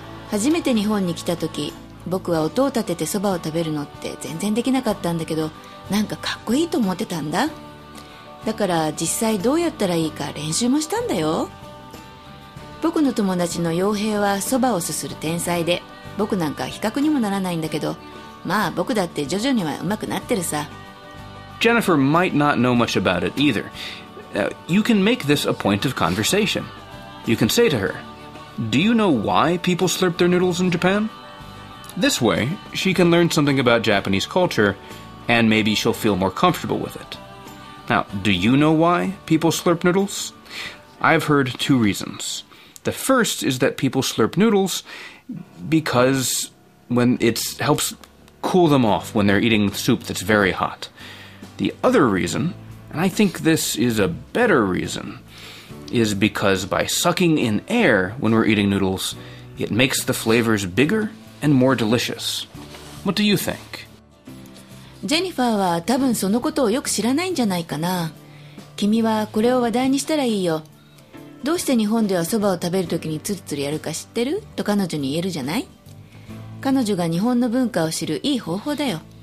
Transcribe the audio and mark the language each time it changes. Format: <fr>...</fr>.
<ja>初めて日本に来たとき、僕は音を立ててそばを食べるのって全然できなかったんだけど、なんかかっこいいと思ってたんだ。だから実際どうやったらいいか練習もしたんだよ。僕の友達の傭兵はそばをすする天才で、僕なんか比較にもならないんだけど、まあ僕だって徐々には上手くなってるさ。</ja> <en>Jennifer might not know much about it either. You can make this a point of conversation. You can say to her, Do you know why people slurp their noodles in Japan? This way, she can learn something about Japanese culture, and maybe she'll feel more comfortable with it. Now, do you know why people slurp noodles? I've heard two reasons. The first is that people slurp noodles because when it helps cool them off when they're eating soup that's very hot. The other reason, and I think this is a better reason, is because by sucking in air when we're eating noodles, it makes the flavors bigger and more delicious. What do you think?</en> <ja>ジェニファーは多分そのことをよく知らないんじゃないかな。君はこれを話題にしたらいいよ。どうして日本ではそばを食べるときにツルツルやるか知ってる？と彼女に言えるじゃない。彼女が日本の文化を知るいい方法だよ。</ja>